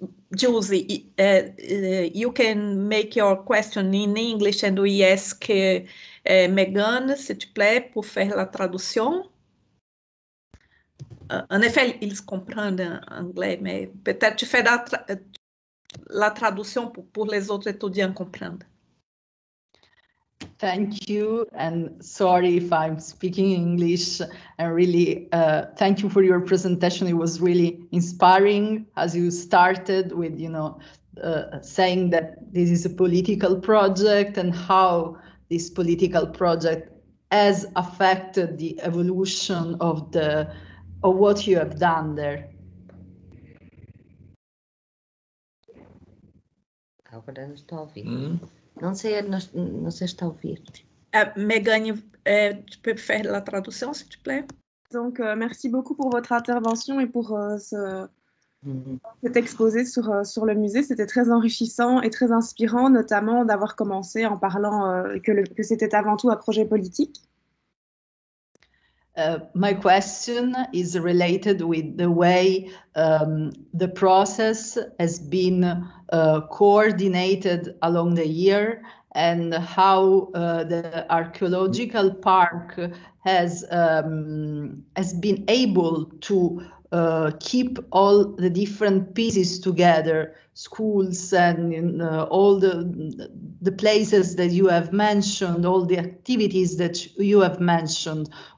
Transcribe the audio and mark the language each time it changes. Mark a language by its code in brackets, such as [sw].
[en] Jules, you can make your question in English and we ask Megan, [fr] s'il te plaît, pour faire la traduction. En effet, ils comprennent l'anglais, mais peut-être tu fais la traduction pour les autres étudiants comprendre. [en] Thank you, and sorry if I'm speaking English. And really, thank you for your presentation. It was really inspiring as you started with, you know, saying that this is a political project and how this political project has affected the evolution of the of what you have done there. [pt] Agora não está a ouvir. Não sei, não sei está a ouvir. [fr] Megan, tu peux faire la traduction, s'il te plaît. Donc, merci beaucoup pour votre intervention et pour cet exposé sur le musée. C'était très enrichissant et très inspirant, notamment d'avoir commencé en parlant que c'était avant tout un projet politique. [en] My question is related with the way the process has been coordinated along the year and how the archaeological park has been able to keep all the different pieces together, schools and all the places that you have mentioned, all the activities that you have mentioned.